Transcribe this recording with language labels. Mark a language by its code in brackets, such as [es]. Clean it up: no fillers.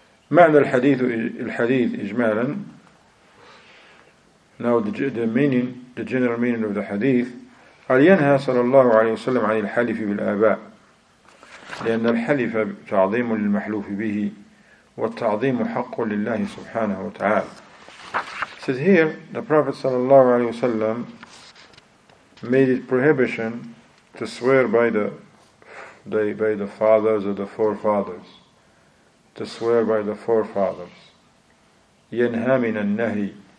[ar] معنى الحديث الحديث إجمالا. [en] Now the meaning, the general meaning of the hadith. [ar] قال ينهى صلى الله عليه وسلم عن الحلف بالآباء لأن الحلف تعظيم للمحلوف به والتعظيم حق لله سبحانه وتعالى. [en] Says here the Prophet صلى الله عليه وسلم made it prohibition to swear by the fathers or the forefathers. To swear by the forefathers. [ar] يَنْهَى مِنَ النَّهِي.